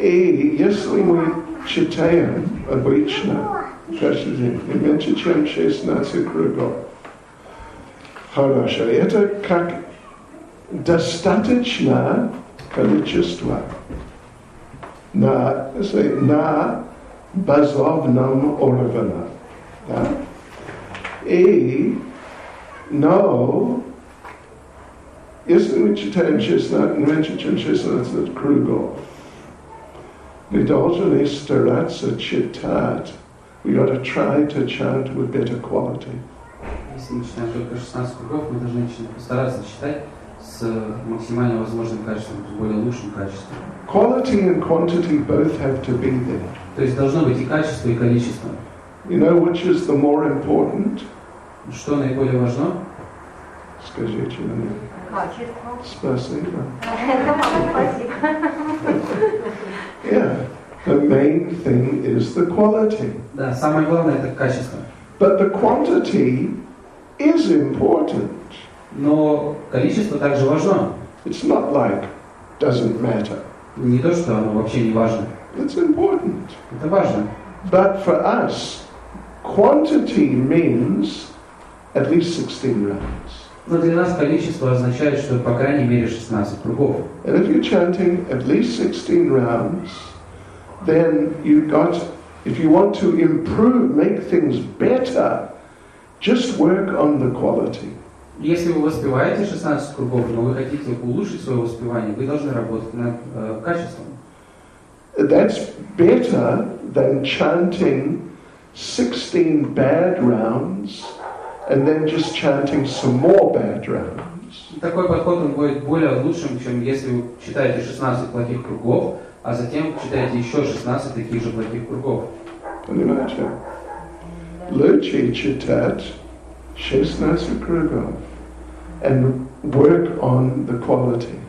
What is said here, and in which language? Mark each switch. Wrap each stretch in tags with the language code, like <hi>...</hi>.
<ru>И если мы читаем обычно, не меньше, чем 16 кругов, хорошо, это как достаточное количество на базовном уровне, да? И, но если мы читаем 16 кругов, мы должны стараться читать.</ru> <en>We got to try to chant with better quality.</en> <ru>Если мы читаем только 16 кругов, мы должны стараться читать с максимально возможным качеством, с более лучшим качеством.</ru> <en>Quality and quantity both have to be there.</en> <ru>То есть должно быть и качество, и количество.</ru> <en>You know which is the more important?</en> <ru>Что наиболее важно? Скажите мне. Спасибо.</ru> <en>Yeah, the main thing is the quality.</en> <ru>Да, самое главное это качество.</ru> <en>But the quantity is important.</en> <ru>Но количество также важно.</ru> <en>It's not like doesn't matter.</en> <ru>Не то, что оно вообще не важно.</ru> <en>It's important.</en> <ru>Это важно.</ru> <en>But for us, quantity means at least 16 rounds.</en> <ru>Но для нас количество означает, что по крайней мере 16 кругов.</ru> <en>And if you're chanting at least 16 rounds, then you've got, if you want to improve, make things better, just work on the quality.</en> <ru>Если вы воспеваете 16 кругов, но вы хотите улучшить свое воспевание, вы должны работать над качеством.</ru> <en>That's better than chanting 16 bad rounds. And then just chanting some more bad rounds.</en> <ru>Такой подход он будет более лучшим, чем если вы читаете 16 плохих кругов, а затем читаете еще 16 таких же плохих кругов. Понимаете? Лучше читать 16 кругов</ru> <en>and work on the quality.</en>